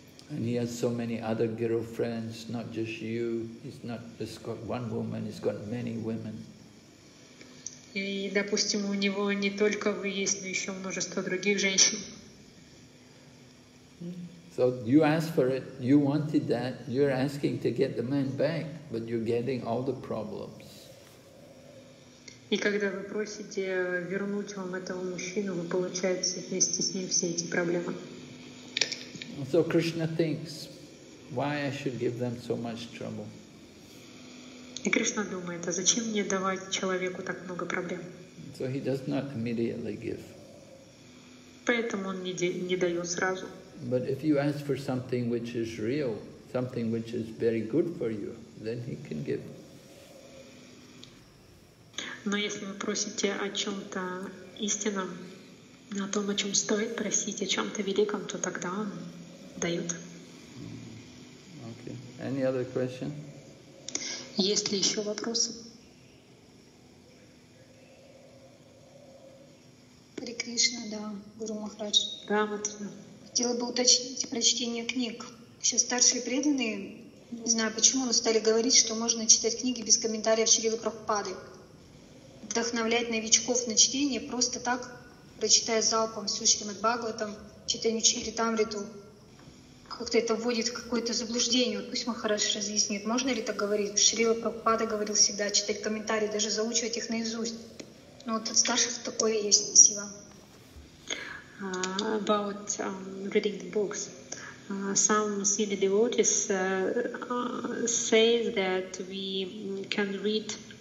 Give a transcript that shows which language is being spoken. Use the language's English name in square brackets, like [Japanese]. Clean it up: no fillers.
[English] And he has so many other girlfriends, not just you. He's not just got one woman, he's got many women. [Russian] И, допустим, у него не только вы есть, но еще множество других женщин. [English] So you ask for it, you wanted that, you're asking to get the man back, but you're getting all the problems. [Russian] И когда вы просите вернуть вам этого мужчину, вы получаете вместе с ним все эти проблемы. [English] So Krishna thinks, why I should give them so much trouble? [Russian] И Кришна думает, а зачем мне давать человеку так много проблем? [English] So he does not immediately give. [Russian] Поэтому он не дает сразу. [English] But if you ask for something which is real, something which is very good for you, then he can give. [Russian] Но если вы просите о чем-то истинном, о том, о чем стоит просить, о чем-то великом, то тогда он дает. [English] Okay. Any other question? [Russian] Есть ли еще вопросы? Hare Krishna, да, Гуру Махарадж. Да, вот. Хотела бы уточнить про чтение книг. Сейчас старшие преданные, не знаю почему, но стали говорить, что можно читать книги без комментариев Шрилы Прабхупады. Вдохновлять новичков на чтение просто так, прочитая залпом всю Шримад-Бхагаватам, читая Чаритамриту. Как-то это вводит в какое-то заблуждение. Вот пусть Махарадж разъяснит, можно ли так говорить. Шрила Прабхупада говорил всегда читать комментарии, даже заучивать их наизусть. Но вот от старших такое есть. Спасибо. [English] About reading the books, some senior devotees say that we can read